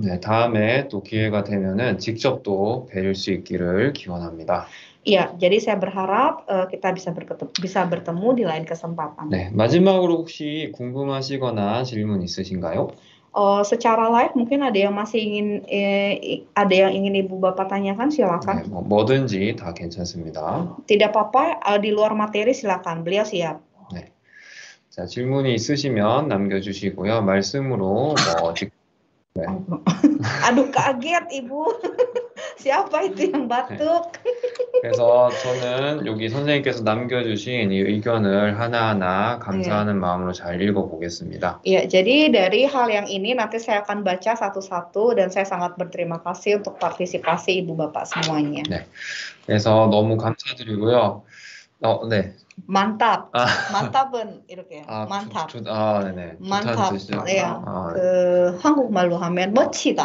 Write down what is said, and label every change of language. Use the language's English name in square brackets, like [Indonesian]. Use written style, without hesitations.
[Korean] 네, 다음에 또 기회가 되면은 직접 또 뵐 수 있기를 기원합니다. [Indonesian] Iya, jadi saya berharap kita bisa bertemu di lain kesempatan. [Korean] 네, 마지막으로 혹시 궁금하시거나 질문 있으신가요? [Indonesian] Secara live mungkin ada yang masih ingin ada yang ingin ibu bapak tanyakan silakan. [Korean] 네, 뭐든지 다 괜찮습니다. [Indonesian] Tidak apa-apa di luar materi silakan. Beliau siap. [Korean] 네. 자, 질문이 있으시면 남겨 주시고요. 말씀으로 뭐 네. [Indonesian] 아두 kaget ibu. Siapa itu yang batuk? 네. [Korean] 그래서 저는 여기 선생님께서 남겨주신 이 의견을 하나하나 감사하는 [English] yeah. [Korean] 마음으로 잘 읽어보겠습니다. [Indonesian] 예, yeah, jadi dari hal yang ini nanti saya akan baca satu-satu dan saya sangat berterima kasih untuk partisipasi ibu bapak semuanya. [Korean] 네, 그래서 너무 감사드리고요. 네. [Indonesian] Mantap. 아. [Korean] Mantap은 이렇게. 아, [Indonesian] mantap. [Korean] 아, 네네. [Indonesian] Mantap. 네. [Korean] 아, 그 한국말로 하면 멋지다.